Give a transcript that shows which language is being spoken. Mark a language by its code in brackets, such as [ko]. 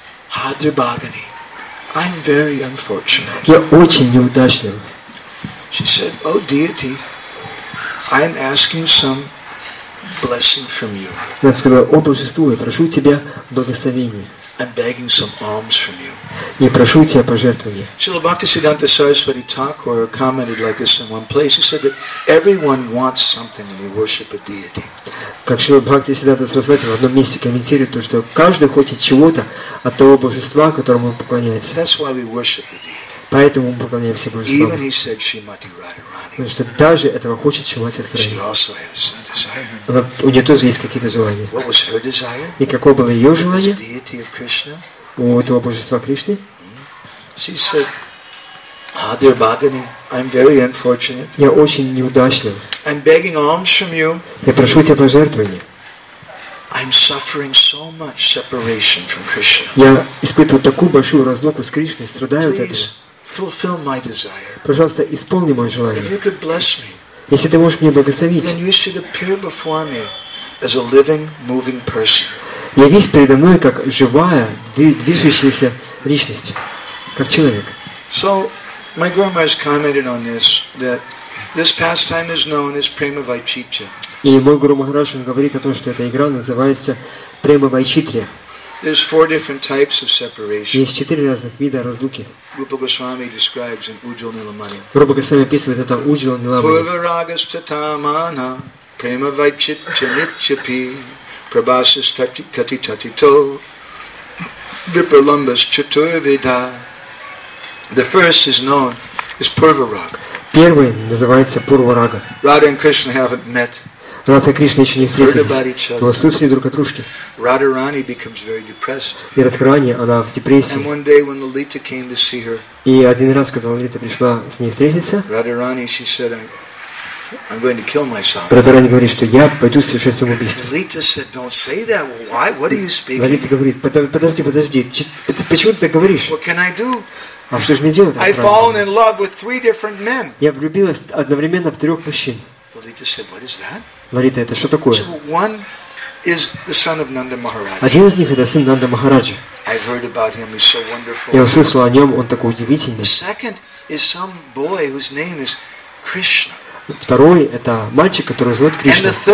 [en] Hadribhagani, I'm very unfortunate. [ru] Я очень неудачлив. [en] She said, "O deity." I am asking some blessing from you. [ru] Я сказал, о божество, я прошу тебя благословения. [en] I'm begging some alms from you. [ru] Я прошу тебя пожертвования. [en] Srila Bhaktisiddhanta Saraswati Thakur commented like this in one place. He said that everyone wants something when they worship a deity. [ru] Как Srila Bhaktisiddhanta Saraswati в одном месте комментирует то, что каждый хочет чего-то от того божества, которому он поклоняется. [en] That's why we worship the deity. [ru] Поэтому мы поклоняемся божеству. [en] Even he said Srimati Radharani. [ru] Потому что даже этого хочет Шримати Радхарани. У нее тоже есть какие-то желания. [en] What was her desire? [ru] И какое было ее желание? [en] The deity of Krishna. [ru] У этого божества Кришны. [en] She said, Hadribhagani, I'm very unfortunate. [ru] Я очень неудачлив. [en] I'm begging alms from you. [ru] Я прошу тебя пожертвований. [en] I'm suffering so much separation from Krishna. [ru] Я испытываю такую большую разлуку с Кришной, страдаю от этого. [en] Fulfill my desire. [ru] Пожалуйста, исполни мое желание. [en] If you could bless me, [ru] если ты можешь меня благословить, [en] then you should appear before me as a living, moving person. [ru] Явись передо мной как живая, движущаяся личность, как человек. [en] So, my grandma has commented on this that this pastime is known as prema vaichitya. [ru] И мой гуру Махараш говорит о том, что эта игра называется према вайчитрия. [en] There's four different types of separation. [ru] Есть четыре разных вида разлуки. [en] Rupa Goswami describes in Ujjala Nilamani. [ru] Rupa Goswami описывает это Ujjala Nilamani. [sa] Purva ragas tatamana prema vaichitya nichapi prabhasas tati kati tati to viparlambas chaturvida. [en] The first is known as Purva Raga. [ru] Первый называется Purva Raga. [en] Radha and Krishna haven't met. [ru] Радха и Кришна еще не встретились, но слышали друг о дружке. [en] Радхарани becomes very depressed. [ru] И Радхарани, она в депрессии. [en] And one day when Lalita came to see her, [ru] и один раз, когда Лалита пришла с ней встретиться, [en] Радхарани, she said, I'm going to kill myself. [ru] Радхарани говорит, что я пойду совершать самоубийство. [en] Lalita said, don't say that. Why? What are you speaking? [ru] Лалита говорит, подожди, почему ты так говоришь? [en] What can I do? [ru] А что же мне делать? [en] I've fallen in love with three different men. [ru] Я влюбилась одновременно в трех мужчин. [en] Lalita said, what is that? [ru] Ларита, это что такое? [en] One is the son of Nanda Maharaja. [ru] Один из них это сын Нанда Махараджа. [en] I've heard about him. He's so wonderful. [ru] Я услышал о нем, он такой удивительный. [en] The second is some boy whose name is Krishna. [ru] Второй – это мальчик, который зовут Кришна.